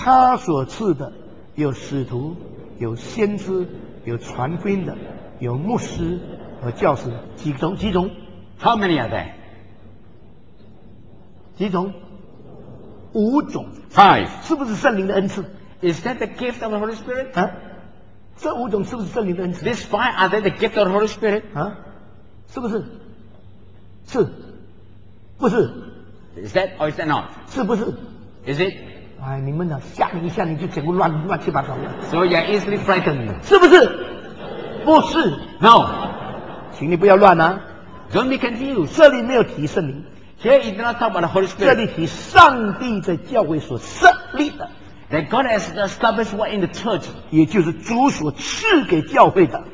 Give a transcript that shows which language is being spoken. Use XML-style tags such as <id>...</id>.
<zh>他所赐的有使徒，有先知，有传福音的，有牧师和教师，几种？几种</zh> <en>？How many are there？</en> <zh>几种？五种。</zh> <en>Five。</en> <zh>是不是圣灵的恩赐</zh> <en>？Is that the gift of the Holy Spirit？</en> <zh>啊，这五种是不是圣灵的恩赐</zh> <en>？These five are they the gift of the Holy Spirit？</en> <zh>啊？是不是？是，不是</zh> <en>？Is that or is that not？</en> <zh>是不是</zh> <en>？Is it？</en> <zh>哎，你们呢？吓你一吓，你就整个乱七八糟的。</zh> <en>So you're easily frightened。</en> <zh>是不是？不是。</zh> <en>No。</en> <zh>请你不要乱啊。</zh> <en>Don't be confused。</en> <zh>这里没有提圣灵。</zh> <en>Here it does not talk about the Holy Spirit。</en> <zh>这里提上帝在教会所设立的。</zh> <en>That God has established what in the church，</en> <zh>也就是主所赐给教会的。</zh>